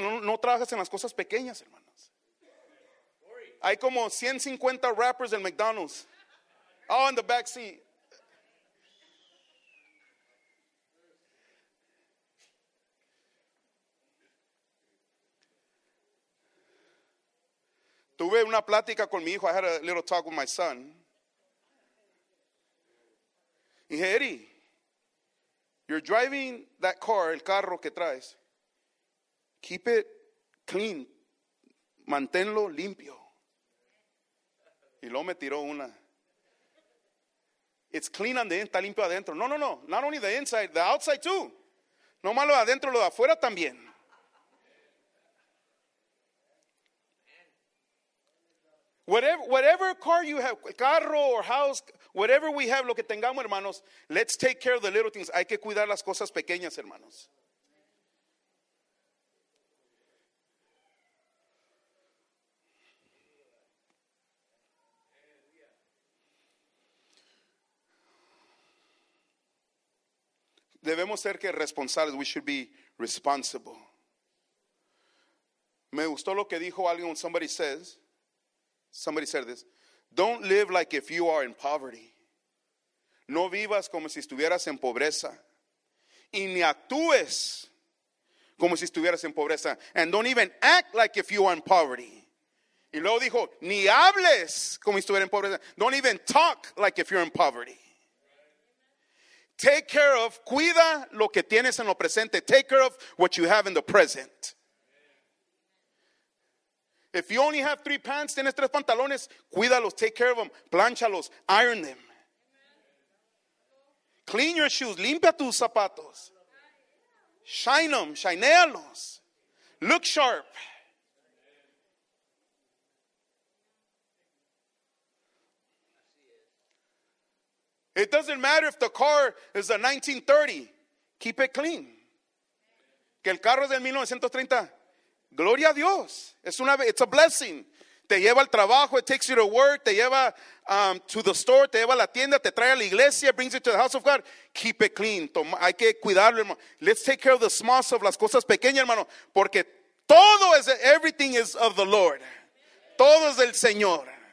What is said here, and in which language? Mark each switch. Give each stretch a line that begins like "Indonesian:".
Spanish: No trabajas en las cosas pequeñas, hermanos. Hay como 150 rappers en McDonald's.
English: Oh, in the back seat.
Spanish: Tuve una plática con mi hijo.
English: I had a little talk with my son.
Spanish: Y dije, Eddie,
English: you're driving that car,
Spanish: el carro que traes.
English: Keep it clean.
Spanish: Manténlo limpio. Y luego me tiró una.
English: It's clean on the inside,
Spanish: está limpio adentro. No, no, no.
English: Not only the inside, the outside too.
Spanish: No malo adentro, lo de afuera también.
English: Whatever car you have, carro or house, whatever we have,
Spanish: lo que tengamos, hermanos,
English: let's take care of the little things.
Spanish: Hay que cuidar las cosas pequeñas, hermanos. Debemos ser que responsables.
English: We should be responsible.
Spanish: Me gustó lo que dijo alguien.
English: Somebody said this. Don't live like if you are in poverty.
Spanish: No vivas como si estuvieras en pobreza. Y ni actúes Como si estuvieras en pobreza.
English: And don't even act like if you are in poverty.
Spanish: Y luego dijo, ni hables como si estuvieras en pobreza.
English: Don't even talk like if you're in poverty. Take care of,
Spanish: cuida lo que tienes en lo presente.
English: Take care of what you have in the present. If you only have 3 pants,
Spanish: tienes 3 pantalones, cuídalos,
English: take care of them,
Spanish: plánchalos,
English: iron them. Clean your shoes,
Spanish: limpia tus zapatos.
English: Shine them,
Spanish: shinealos.
English: Look sharp. It doesn't matter if the car is a 1930. Keep it clean.
Spanish: Que el carro es del 1930. Gloria a Dios.
English: It's a blessing.
Spanish: Te lleva al trabajo.
English: It takes you to work.
Spanish: Te lleva
English: to the store.
Spanish: Te lleva a la tienda. Te trae a la iglesia.
English: Brings you to the house of God. Keep it clean.
Spanish: Hay que cuidarlo, hermano.
English: Let's take care of the small stuff.
Spanish: Las cosas pequeñas, hermano. Porque todo es,
English: everything is of the Lord.
Spanish: Todo es del Señor.